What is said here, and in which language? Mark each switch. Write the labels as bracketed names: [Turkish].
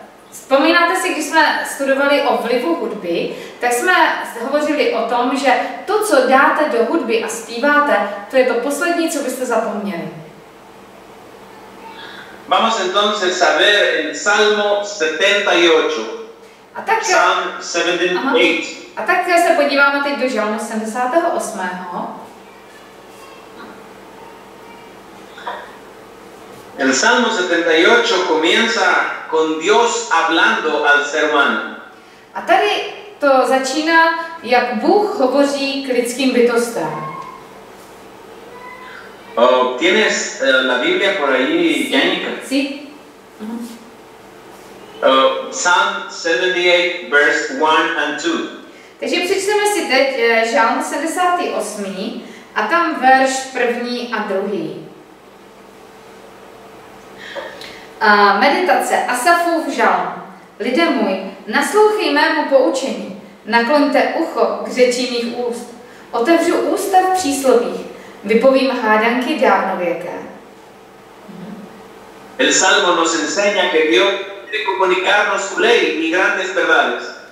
[Czech] Vzpomínáte si, když jsme studovali o vlivu hudby, tak jsme hovořili o tom, že to, co dáte do hudby a zpíváte, to je to poslední, co byste zapomněli. [Spanish] Vamos entonces a ver el Salmo 78. [Czech] A tak, [English] Psalm 78. Aha. [Czech] A tak se podíváme teď do žalmu 78. [Spanish] El Salmo 78 comienza con Dios hablando al ser humano. [Czech] A tady to začíná, jak Bůh hovoří k lidským bytostem. [Spanish] Oh, ¿tienes la Biblia por ahí, Yannick? Sí. Sí. [English] Psalm 78, verse 1 and 2. [Czech] Takže přečteme si teď Žalm 78 a tam verš první a druhý. Meditace Asafův žalm. Lidé můj, naslouchej mému poučení, nakloňte ucho k řeči mých úst. Otevřu ústa v příslovích, vypovím hádanky dávnověké. [Spanish] El salmo nos enseña que Dios quiere comunicarnos su ley y grandes verdades.